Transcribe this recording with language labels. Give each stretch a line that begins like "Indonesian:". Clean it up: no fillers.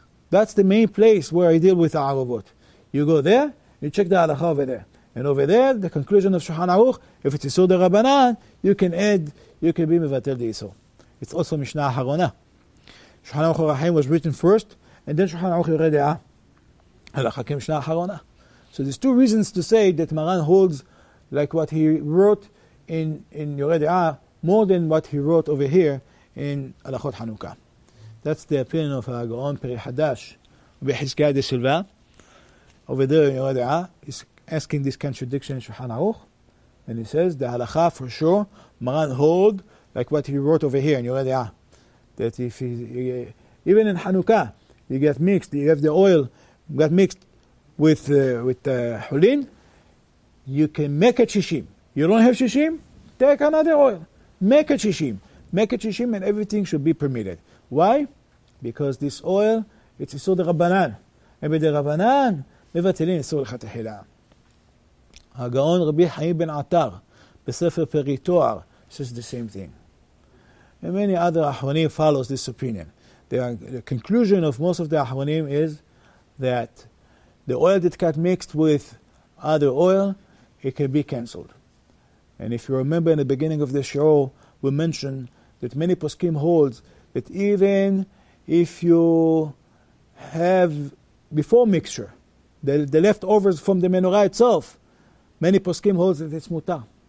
English: That's the main place where I deal with the ערובות. You go there, you check the הלכה over there. And over there, the conclusion of שולחן ערוך, if it's איסור דה רבנן, you can add, you can be מבטל דה איסור. It's also משנה אחרונה. שולחן ערוך הרחיים was written first, and then שולחן ערוך יורה דעה.
Hebrew: הלכה כמשנה אחרונה.
English: So there's two reasons to say that Maran holds like what he wrote in יורה דעה, more than what he wrote over here in הלכות חנוכה. That's the opinion of הגאון פרי חדש, בחזקיה דה סילבה, over there in יורה דעה, is asking this contradiction in שולחן ערוך, and he says, the halakha for sure, Maran hold, like what he wrote over here, and you already are, that if he even in Hanukkah, you get mixed, you have the oil, got mixed with Hulin, you can make a shishim. You don't have shishim? Take another oil. Make a shishim. Make a shishim, and everything should be permitted. Why? Because this oil, it's Yisur Rabbanan. And with the Rabbanan, mevatelin Yisur Chatechila.
Hebrew: הגאון רבי חיים בן עטר בספר פרי תואר
English: says the same thing. And many other אחרונים follows this opinion. The conclusion of most of the אחרונים is that the oil that got mixed with other oil, it can be canceled. And if you remember in the beginning of the show, we mentioned that many poskim holds that even if you have before mixture, the leftovers from the menorah itself, many poskim holds that it's mutar.